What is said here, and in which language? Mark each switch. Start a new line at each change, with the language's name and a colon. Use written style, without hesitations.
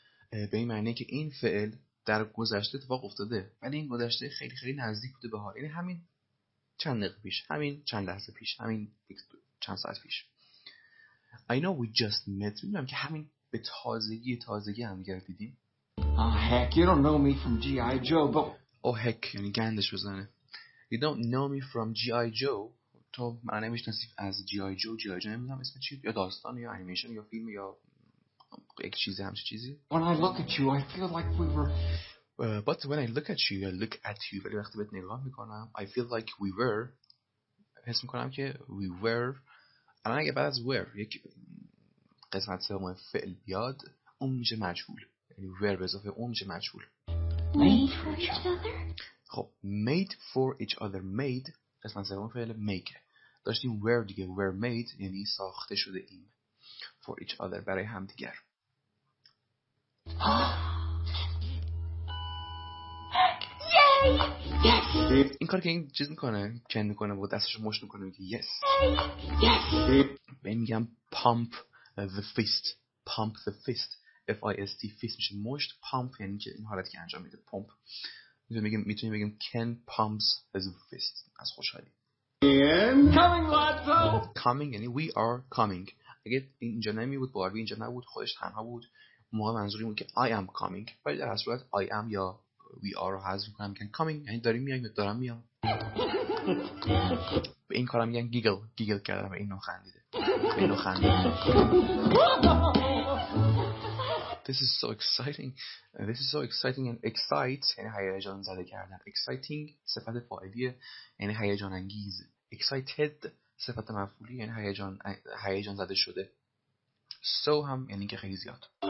Persian: به این معنی که این فعل در گذشته اتفاق افتاده. ولی این گذشته خیلی خیلی نزدیک بوده به حال. یعنی همین چند دقیقه پیش. همین چند لحظه پیش. همین چند ساعت پیش.
English: I know we just met.
Persian: میدونم که همین به تازگی هم دیگر دیدیم.
English: Oh heck, you don't know me from G.I. Joe. Oh heck,
Persian: یعنی گندش بزنه.
English: You don't know me from G.I. Joe.
Persian: تو من نمیشناسی از G.I.
English: Joe. G.I.
Persian: Joe نمیدونم اسم چی. یا داستان یا انیمیشن یا فیلم یا یک چیزی همچه چیزی.
English: When I look at you, I feel like we were... But when I look at you,
Persian: ولی وقتی بهت نگاه میکنم,
English: I feel like we were,
Persian: حس میکنم که we were, الان اگه بعد از were, یک قسمت سوم فعل بیاد, اون میشه مجهول. یعنی were به اضافه اون میشه مجهول.
English: Made for each other.
Persian: Made, قسمت سوم فعل make. داشتیم were دیگه, were made, یعنی ساخته شده این. For each other, برای هم دیگر. این کار که این چیز میکنه چند میکنه و دستش رو مشت میکنه میگه yes. به این میگم pump the fist F-I-S-T fist میشه مشت. Pump یعنی که این حالتی که انجام میده. Pump میتونی بگیم
English: Ken pumps his fist
Persian: از خوشحالی.
English: Coming Lotso. Coming یعنی we are coming.
Persian: اگه اینجا نمی بود باربی اینجا نبود خودش تنها بود موقع منظوری بود که
English: I am coming.
Persian: ولی در صورت I am یا we are has we can coming یعنی داریم میایم دارم میام. به این کارم میگن giggle کرده و اینو خندیده.
English: This is so exciting and excite
Persian: یعنی هیجان زده کردن. Exciting صفت فاعلیه یعنی هیجان انگیز. Excited صفت مفعولی یعنی هیجان زده شده. So هم یعنی که خیلی زیاد.